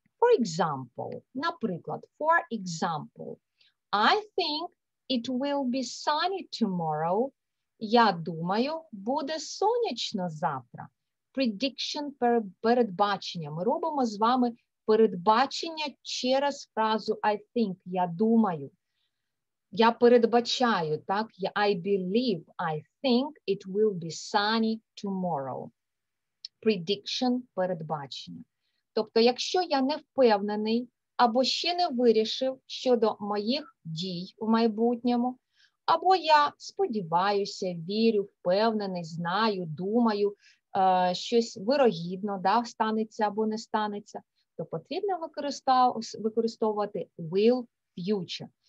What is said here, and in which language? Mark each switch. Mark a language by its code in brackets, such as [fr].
[en] For example, [uk] наприклад, [en] for example, «I think it will be sunny tomorrow», [uk] «я думаю, буде сонячно завтра». [en] Prediction, [uk] передбачення. Ми робимо з вами передбачення через фразу [en] I think, [uk] я думаю. Я передбачаю, так? [en] I believe, I think it will be sunny tomorrow. Prediction, [uk] передбачення. Тобто, якщо я не впевнений або ще не вирішив щодо моїх дій в майбутньому, або я сподіваюся, вірю, впевнений, знаю, думаю, щось вирогідно, да, станеться або не станеться, то потрібно використовувати will future.